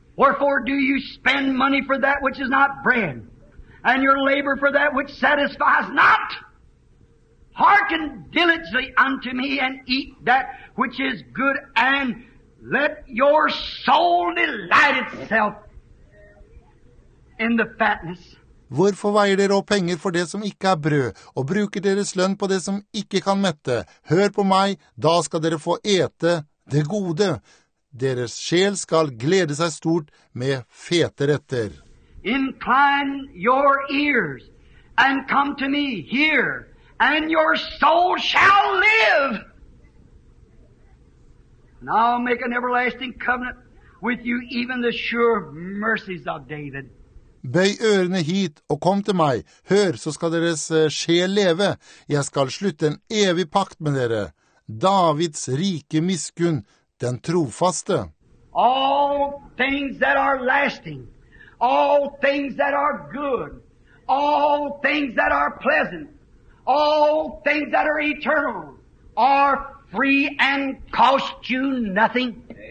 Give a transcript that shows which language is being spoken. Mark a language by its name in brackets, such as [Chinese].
[English] Wherefore do you spend money for that which is not bread, and your labor for that which satisfies not? Hearken diligently unto me and eat that which is good, and let your soul delight itself in the fatness. [Norwegian] Hvorfor veier dere opp penger for det som ikke brød, og bruker deres lønn på det som ikke kan mette? Hør på meg, da skal dere få ete det gode. Deres sjel skal glede seg stort med fete retter. [English] Incline your ears and come to me here, and your soul shall live. And I'll make an everlasting covenant with you, even the sure mercies of David. [Norwegian] Bøy ørene hit og kom til meg. Hør, så skal deres sjel leve. Jeg skal slutte en evig pakt med dere. Davids rike miskunn, den trofaste. [English] All things that are lasting, all things that are good, all things that are pleasant, all things that are eternal, are free and cost you nothing.